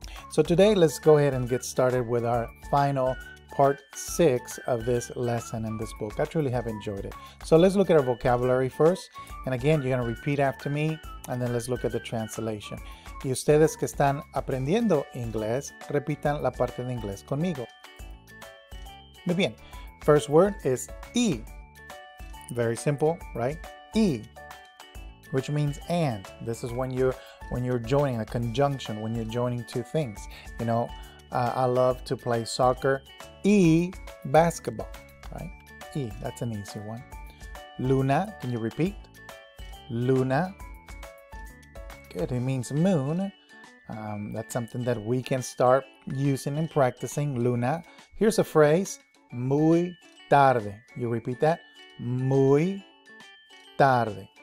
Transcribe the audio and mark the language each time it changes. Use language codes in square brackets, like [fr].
[en] So today, let's go ahead and get started with our final part 6 of this lesson in this book. I truly have enjoyed it. So let's look at our vocabulary first. And again, you're going to repeat after me, and then let's look at the translation. [es] Y ustedes que están aprendiendo inglés, repitan la parte de inglés conmigo. Muy bien. [en] First word is y. Very simple, right? Y, which means and. This is when you're joining, a conjunction, when you're joining two things. I love to play soccer. Y basketball, right? Y, that's an easy one. Luna, can you repeat? Luna, good. It means moon. That's something that we can start using and practicing, Luna. Here's a phrase, [es] muy tarde. [en] You repeat that, muy tarde.